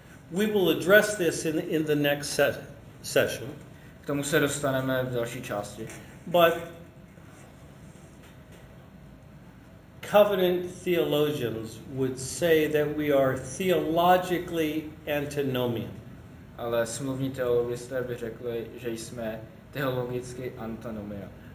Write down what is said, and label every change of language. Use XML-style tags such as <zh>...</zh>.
<en>We will address this in the next session.</en> <cs>K tomu se dostaneme v další části.</cs> <en>But covenant theologians would say that we are theologically antinomian.</en> <cs>Ale smluvní teologové by řekli, že jsme teologicky antinomia.</cs>